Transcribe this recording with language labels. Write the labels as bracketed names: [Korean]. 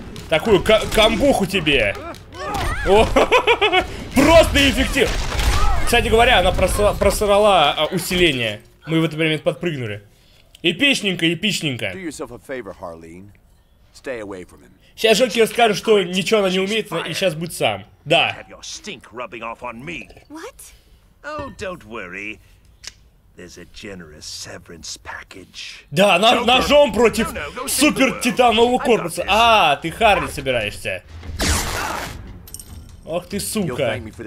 [Russian] Такую камбуху тебе. О, просто эффективно. Кстати говоря, она просрала усиление. Мы в этот момент подпрыгнули. Эпичненько, эпичненько. [English] Do yourself a favor, Harleen. Stay away from him. [Russian] Сейчас Джокер скажет, что ничего она не умеет, и сейчас будет сам. Да. [English] Have your stink rubbing off on me. What? Oh, don't worry. There's a generous severance package. [Russian] Да, ножом против супер титанового корпуса. А, ты Харли собираешься. Ох ты сука.